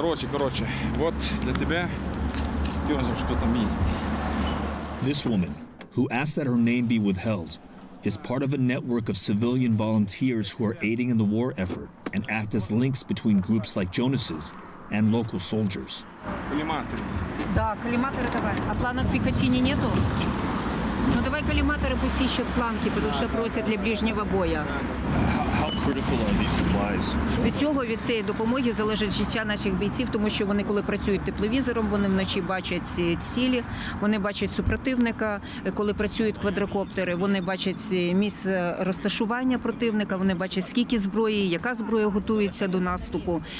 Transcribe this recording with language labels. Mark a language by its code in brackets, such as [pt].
[ru] Короче, вот для тебя стёрзу, что там есть. [en] This woman, who asked that her name be withheld, is part of a network of civilian volunteers who are aiding in the war effort and act as links between groups like Jonas's and local soldiers. How critical are these supplies? [uk] Від цього, від цієї допомоги залежить життя наших бійців, тому що вони, коли працюють тепловізором, вони вночі бачать цілі, вони бачать супротивника, коли працюють квадрокоптери, вони бачать місце розташування противника, вони бачать, скільки зброї, яка зброя готується до наступу.